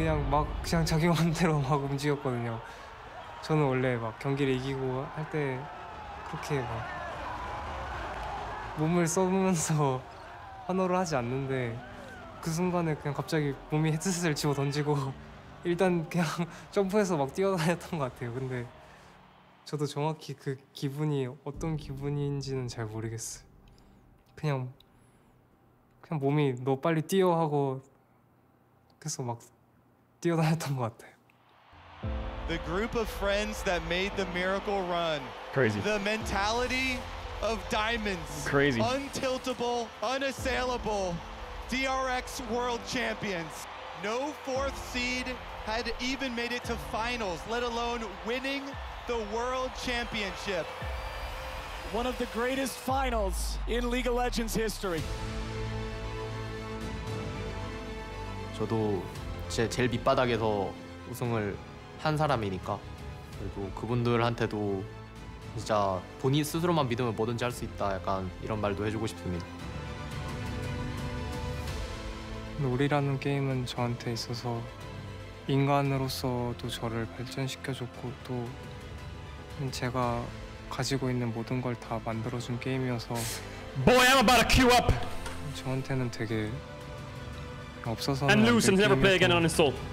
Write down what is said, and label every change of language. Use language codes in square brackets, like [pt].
[ko] 막 그냥 자기 마음대로 막 움직였거든요. 저는 원래 막 경기를 이기고 할 때 그렇게 막 몸을 써보면서 환호를 하지 않는데 그 순간에 그냥 갑자기 몸이 헤드셋을 집어 던지고 일단 그냥 점프해서 막 뛰어다녔던 것 같아요. 근데 저도 정확히 그 기분이 어떤 기분인지는 잘 모르겠어요. 그냥 몸이 너 빨리 뛰어 하고 그래서 막 뛰어다녔던 것 같아요. [en] The group of friends that made the miracle run. Crazy. The mentality of diamonds. Crazy. Untiltable, unassailable. DRX World Champions. No fourth seed had even made it to finals, let alone winning the World Championship. One of the greatest finals in League of Legends history. [ko] 저도 제 제일 밑바닥에서 우승을 한 사람이니까 그리고 그분들한테도 진짜 본인 스스로만 믿으면 뭐든지 할 수 있다 약간 이런 말도 해주고 싶습니다. 놀이라는 게임은 저한테 있어서 인간으로서도 저를 발전시켜줬고 또 제가 가지고 있는 모든 걸 다 만들어준 게임이어서 [en] Boy, I'm about to queue up! [ko] 저한테는 되게 [en] And lose and never play again on install.